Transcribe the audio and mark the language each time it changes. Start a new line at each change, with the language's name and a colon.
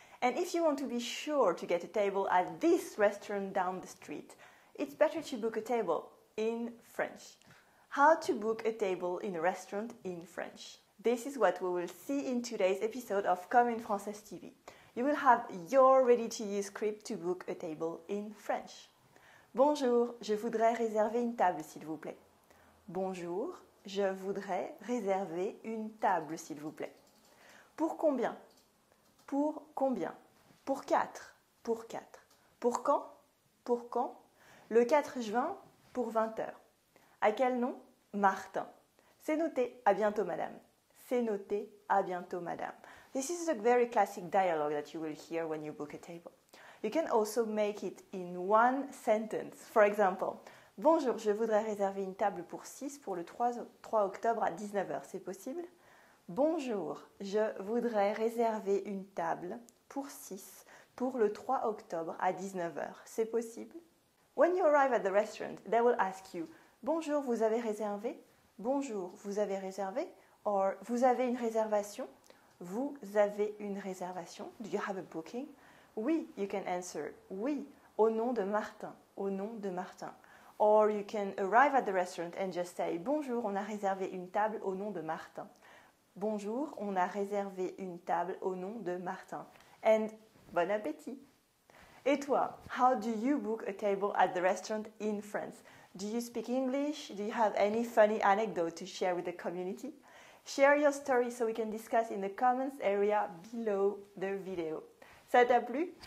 English: And if you want to be sure to get a table at this restaurant down the street, it's better to book a table in French. How to book a table in a restaurant in French? This is what we will see in today's episode of Comme une Française TV. You will have your ready-to-use script to book a table in French.
French: Bonjour, je voudrais réserver une table, s'il vous plaît. Bonjour, je voudrais réserver une table, s'il vous plaît. Pour combien? Pour combien? Pour 4? Pour 4. Pour quand? Pour quand? Le 4 juin, pour 20 heures. À quel nom? Martin. C'est noté, à bientôt, madame. C'est noté, à bientôt, madame.
English: This is a very classic dialogue that you will hear when you book a table. You can also make it in one sentence. For example,
French: bonjour, je voudrais réserver une table pour 6 pour le 3 octobre à 19h. C'est possible? Bonjour, je voudrais réserver une table pour 6 pour le 3 octobre à 19h. C'est possible?
English: When you arrive at the restaurant, they will ask you,
French: bonjour, vous avez réservé? Bonjour, vous avez réservé? Or, vous avez une réservation? Vous avez une réservation?
English: Do you have a booking? Oui, you can answer.
French: Oui, au nom de Martin. Au nom de Martin.
English: Or you can arrive at the restaurant and just say,
French: bonjour, on a réservé une table au nom de Martin. Bonjour, on a réservé une table au nom de Martin.
English: And bon appétit.
French: Et toi,
English: how do you book a table at the restaurant in France? Do you speak English? Do you have any funny anecdote to share with the community? Share your story so we can discuss in the comments area below the video.
French: Ça t'a plu?